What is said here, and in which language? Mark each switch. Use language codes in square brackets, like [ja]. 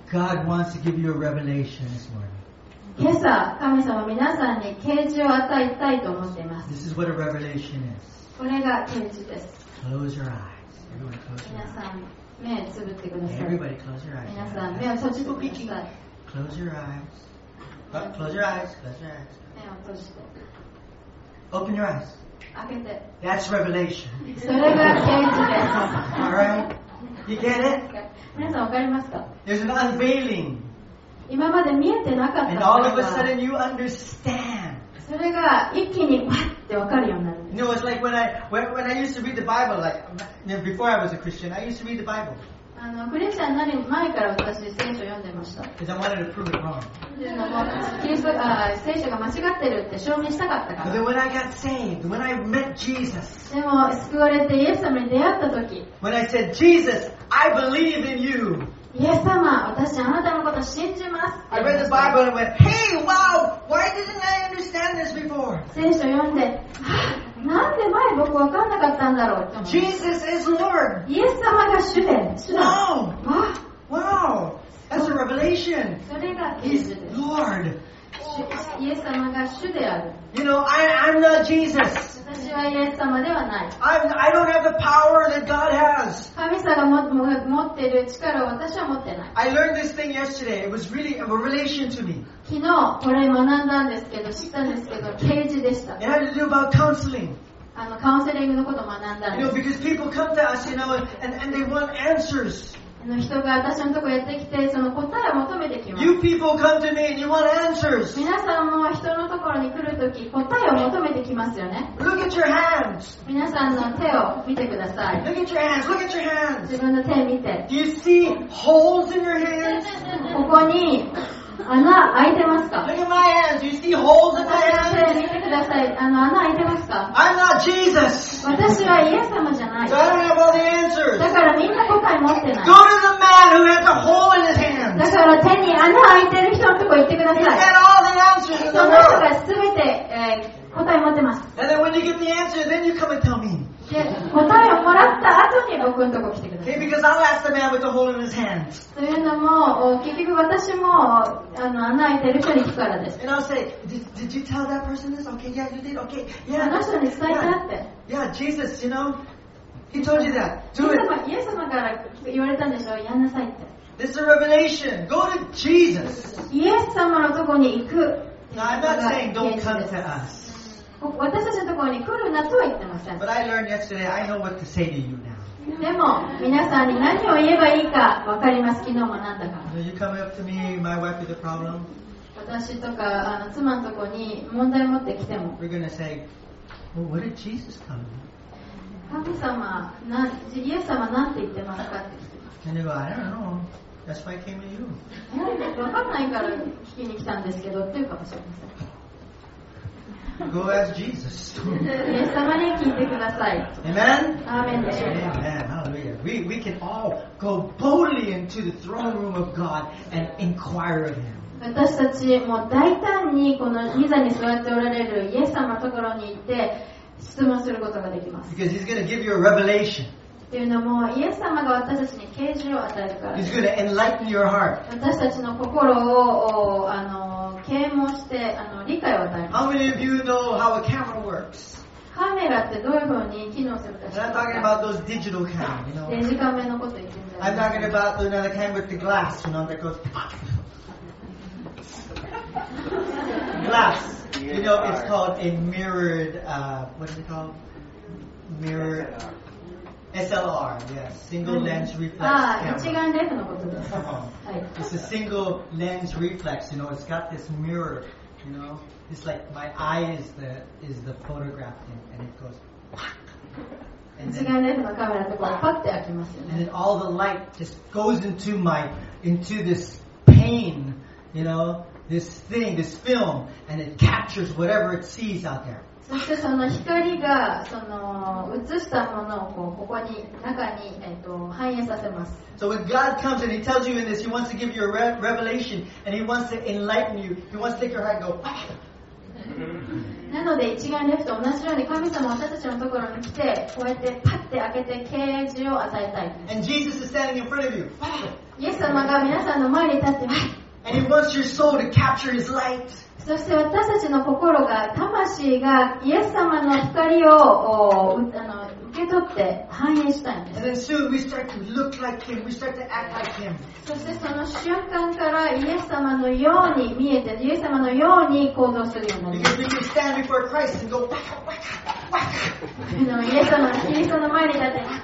[en] God wants to give you a revelation this morning. [ja] 今朝、神様は皆さんに啓示を与えたいと思っています。 [en] This is what a revelation is. [ja] これが啓示です。 [en] Close your eyes. Everyone close your eyes. [ja] 皆さん、目をつぶってください。 [en] Everybody close your eyes. [ja] 皆さん、目を閉じてください。 [en] Close your eyes. Close your eyes. Close your eyes. [ja] 目を閉じて。 [en] Open your eyes. [ja] 開けて。 [en] That's revelation. [ja] それが啓示です。 [en] All right, you get it? [ja] 皆さんわかりますか [en] ？There's an unveiling. [ja] 今まで見えてなかった。 [en] And all of a sudden you understand. [ja] それが一気にパッってわかるようになる。 [en] You know, it's like when I used to read the Bible, like before I was a Christian, I used to read the Bible. [ja] クリスチャンになる前から私聖書を読んでました。 [en] Because I wanted to prove it wrong. [ja] キリスト、聖書が間違ってるって証明したかったから。 [en] But when I got saved, when I met Jesus. [ja] でも救われてイエス様に出会った時。 [en] When I said, Jesus, I believe in you. [ja] イエス様、私あなたのこと信じます。 [en] I read the Bible and went, Hey, wow, why didn't I understand this before? [ja] 聖書読んで、なんで前僕く分かんなかったんだろう。 [en] Jesus is Lord. [ja] イエス様が主で。 [en] Wow. Wow. That's a revelation. [ja] それが [en] He's Lord. [ja] イエス様が主である。 [en] You know, I'm not Jesus. [ja] 私はイエス様ではない。 [en] I don't have the power that God has. [ja] 神様が持っている力を私は持ってない。 [en] I learned this thing yesterday. It was really a revelation to me. [ja] 昨日これ学んだんですけど、知ったんですけど、啓示でした。 [en] It had to do about counseling. [ja] カウンセリングのことを学んだんです。 [en] You know, because people come to us, you know, and they want answers. [ja] 人が私のところやってきて、その答えを求めてきます。 [en] You people come to me and you want answers. [ja] 皆さんも人のところに来るとき、答えを求めてきますよね。 [en] Look at your hands. [ja] 皆さんの手を見てください。 [en] Look at your hands. Look at your hands. [ja] 自分の手を見て。 [en] Do you see holes in your hands? [ja] ここに穴開いてますか。 [en] Look at my hands. You see holes in my hands? [ja] 見てください。穴開いてますか。 [en] I'm not Jesus. [ja] 私はイエス様じゃない。 [en] So I don't have all the answers. [ja] だからみんな答え持ってない。 [en] Go to the man who has a hole in his hands. [ja] だから手に穴開いてる人のとこ行ってください。 [en] He's got all the answers in the world. [ja] その人がすべて、答え持ってます。 [en] And then when you give the answer, then you come and tell me. [ja] で答えをもらった後に僕のとこ来てください。 [en] Okay, because I'll ask the man with the hole in his hand. [ja] というのも結局私も穴開いてる人に聞くからです。 [en] And I'll say, did you tell that person this? Okay, yeah, you did. Okay, yeah. [ja] その人に伝えたって。 [en] Yeah, Jesus, you know, he told you that. Do it. [ja] イエス様から言われたんでしょ。やんなさいって。 [en] This is a revelation. Go to Jesus. [ja] イエス様のとこに行く。 [en] Now I'm not saying don't come to us. [ja] 私たちのところに来るなとは言ってません。 [en] But I learned yesterday, I know what to say to you now. [ja] でも皆さんに何を言えばいいか分かります。昨日学んだから。 [en] You come up to me, my wife is a problem. [ja] 私とか妻のところに問題を持ってきても。 [en] We're gonna say, well, what did Jesus tell me? [ja] 神様、イエス様何て言ってますかって聞いてます。 [en] And you go, I don't know. That's why I came to you. [ja] 分かんないから聞きに来たんですけどっていうかもしれません。 [en] Go ask Jesus. Amen. Amen. Amen. Hallelujah. We can all go boldly into the throne room of God and inquire of Him. [ja] 私たちも大胆にこの御座に座っておられるイエス様のところに行って質問することができます。 [en] Because He's going to give you a revelation. [ja] というのもイエス様が私たちに啓示を与えるから。 [en] He's going to enlighten your heart. [ja] 私たちの心を啓蒙して理解を与える。 [en] How many of you know how a camera works? [ja] カメラってどういうふうに機能するか。 [en] I'm talking about those digital cameras, you know. [ja] デジカメのこと言ってるんだ。 [en] I'm talking about the other camera with the glass, you know, that goes pop. Glass. You know, it's called a mirrored. What is it called? Mirrored. SLR, yes, single lens reflex camera. [ja] 一眼レフのことです。 [en] It's a single lens reflex. You know, it's got this mirror. You know, it's like my eye is the photograph thing, and it goes. [ja] 一眼レフのカメラとこうパッて開きますよね。 [en] And then all the light just goes into this pane. You know, this thing, this film, and it captures whatever it sees out there. [ja] そしてその光がその映したものをここに中に反映させます。 [en] So when God comes and He tells you in this, He wants to give you a revelation and He wants to enlighten you. He wants to take your heart and go, ah! [ja] なので一眼レフと同じように神様私たちのところに来てこうやってパッて開けて啓示を与えたい。 [en] And Jesus is standing in front of you. [ja] イエス様が皆さんの前に立ってます。 [en] And He wants your soul to capture His light. [ja] そして私たちの心が魂がイエス様の光を受け取って反映したいんです。 [en] And then soon we start to look like Him, we start to act like Him. [ja] そしてその瞬間からイエス様のように見えて、イエス様のように行動するようになります。 [en] Because we can stand before Christ and go back, back, back. [ja] イエス様のキリストの前に立って、